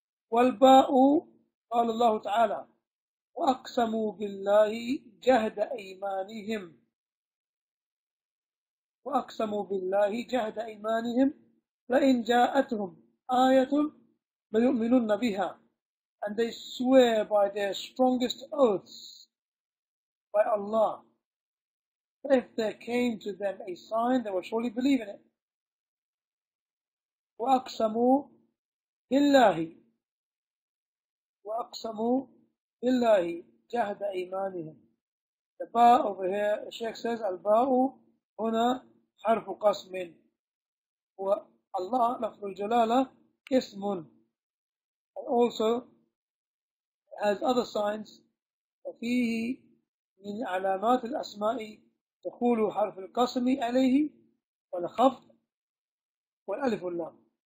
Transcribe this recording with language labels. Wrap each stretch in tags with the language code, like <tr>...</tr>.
<ar>والباء قال الله تعالى وأقسموا بالله جهد أيمانهم وأقسموا بالله جهد أيمانهم لئن جاءتهم آية ليؤمنن بها.</ar> <en>And they swear by their strongest oaths, by Allah, if there came to them a sign, they will surely believe in it.</en> <ar>وَأَقْسَمُوا بِاللَّهِ وَأَقْسَمُوا بِاللَّهِ جَهْدَ إِيمَانِهِمْ.</ar> <en>The ba over here, the Shaykh says,</en> <ar>الْبَاءُ هُنَا حَرْفُ قَسْمٍ. وَاللَّهُ لَفْرُ الْجَلَالَةِ قِسْمٌ.</ar> <en>And also, has other signs,</en> <ar>وَفِيهِ مِنْ عَلَامَاتِ الْأَسْمَاءِ تَخُولُ حَرْفِ الْقَسْمِ عَلَيْهِ وَالْخَفْضُ وَالْأَلِفُ اللَّامُ.</ar>